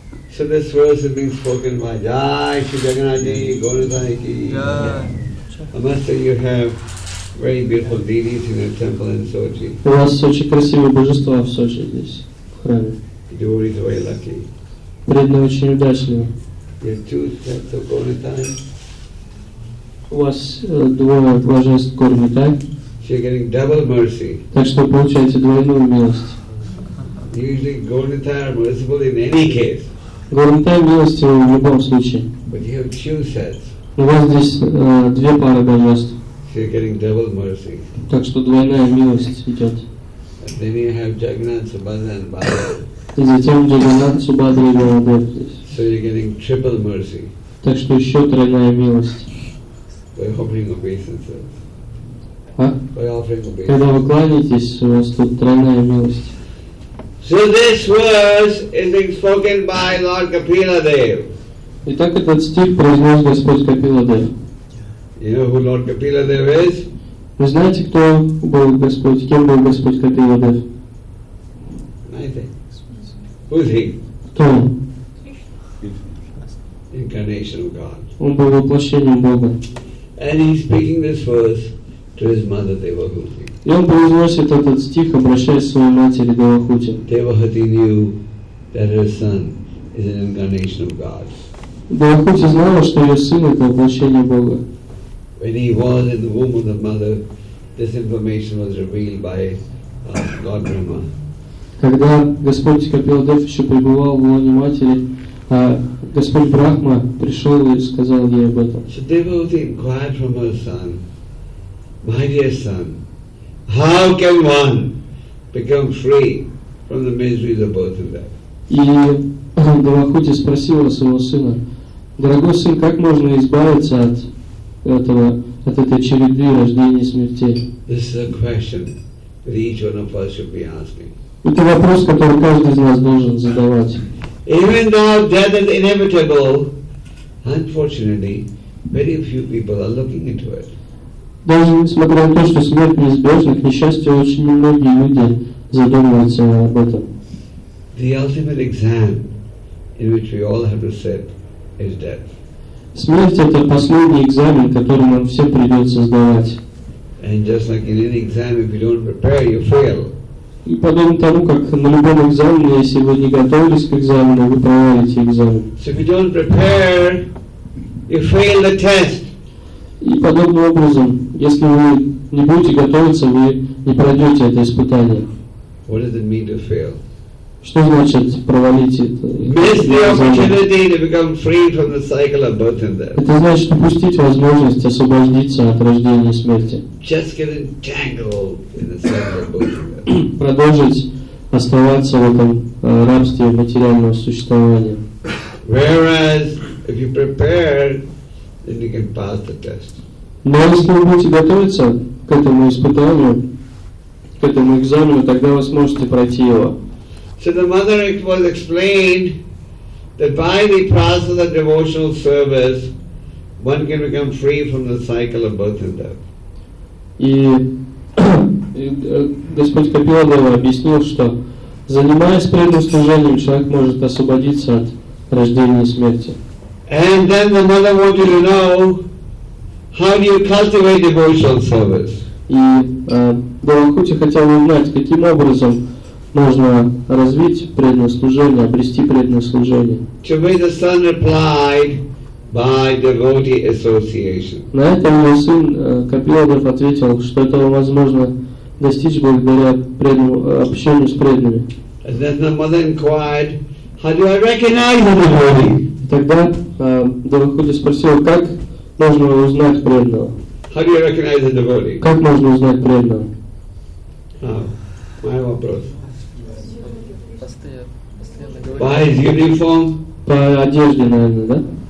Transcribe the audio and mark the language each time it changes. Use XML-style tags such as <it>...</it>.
<en>So this verse has been spoken by Jai Shri Jagannath Ji, Gauradhani Ji. I must say you have very beautiful deities in your temple in Sochi.</en> <ru>У вас очень красивые божества в Сочи здесь, в храме.</ru> <en>Devotees are very lucky.</en> <ru>Преданные очень удачливы.</ru> <en>You have two sets of Gauradhani.</en> <ru>У вас двое божеств Гауридхани.</ru> <en>So you're getting double mercy.</en> <ru>Так что получаете двойную милость.</ru> <en>Usually Gaurantaya are merciful in any case.</en> <ru>Гаурантая милости в любом случае.</ru> <en>But you have two sets.</en> <ru>У вас здесь две пары божеств.</ru> <en>So you're getting double mercy.</en> <ru>Так что двойная милость идет.</ru> <en>And then you have Jagannath, Subhadra and Balabhadra.</en> <ru>И затем Джагнат, Субхадра и Балабхадра.</ru> <en>So you're getting triple mercy.</en> <ru>Так что еще тройная милость.</ru> <en>By offering obeisances.</en> <ru>Когда вы кланяетесь, у вас тут тройная милость.</ru> <en>So this verse is spoken by Lord Kapiladev.</en> <ru>Итак, этот стих произнес Господь Капиладев.</ru> <en>You know who Lord Kapiladev is?</en> <ru>Вы знаете, кто был Господь? Кем был Господь Капиладев?</ru> <en>Who is he?</en> <ru>Кто он?</ru> <en>Incarnation of God.</en> <ru>Он был воплощением Бога.</ru> <en>And he's speaking this verse.</en> <ru>И он произносит этот стих, обращаясь к своей матери Девахути.</ru> <en>Девахути knew that her son is an incarnation of God.</en> <ru>Девахути знала, что ее сын это воплощение Бога.</ru> <en>When he was in the womb of the mother, this information was revealed by God Brahma.</en> <ru>Когда Господь Капиладев еще пребывал в лоне матери, Господь Брахма пришел и сказал ей об этом.</ru> <en>So Devahuti inquired from her son. My dear son, how can one become free from the miseries of birth and death?</en> <ru>И Девахути спросила своего сына, дорогой сын, как можно избавиться от этого, от этой череды рождения и смерти?</ru> <en>This is a question that each one of us should be asking.</en> <ru>Это вопрос, который каждый из нас должен задавать.</ru> <en>Even though death is inevitable, unfortunately, very few people are looking into it.</en> <ru>Даже несмотря на то, что смерть неизбежна, к несчастью, очень немногие люди задумываются об этом.</ru> <en>The ultimate exam in which we all have to sit is death.</en> <ru>Смерть – это последний экзамен, который нам все придется сдавать.</ru> <en>And just like in any exam, if you don't prepare, you fail.</en> <ru>И подобно тому, как на любом экзамене, если вы не готовились к экзамену, вы провалите экзамен.</ru> <en>So if you don't prepare, you fail the test.</en> <ru>И подобным образом, если вы не будете готовиться, вы не пройдете это испытание.</ru> <en>What does it mean to fail?</en> <ru>Что значит провалить это?</ru> <en>Miss the opportunity to become free from the cycle of birth and death.</en> <ru>Это значит упустить возможность освободиться от рождения и смерти.</ru> <en>Just get entangled in the cycle of birth and death.</en> <ru>Продолжить оставаться в этом рабстве материального существования.</ru> <en>Whereas if you prepare, then you can pass the test.</en> <ru>Но если вы будете готовиться к этому испытанию, к этому экзамену, тогда вы сможете пройти его.</ru> <en>So the mother was explained that by vipassana devotional service, one can become free from the cycle of birth and death.</en> <ru>И Господь Капиладева объяснил, что занимаясь преданным служением, человек может освободиться от рождения и смерти.</ru> <en>And then the mother wanted to know, how do you cultivate devotional service?</en> <ru>И Долгопрутья хотела узнать, каким образом можно развить преданное служение, обрести преданное служение.</ru> <en>To which the son replied, by devotee association.</en> <ru>На это мой сын Капиладев ответил, что этого возможно достичь благодаря общению с преданными.</ru> <en>And then the mother inquired, how do I recognize the devotee?</en> <ru>Тогда Долгопрутья спросил, как можно узнать преданного?</ru> <en>How do you recognize the devotee?</en> <ru>Как можно узнать преданного? Мой вопрос.</ru> <en>By his uniform?</en> <ru>По одежде, наверное, да?</ru>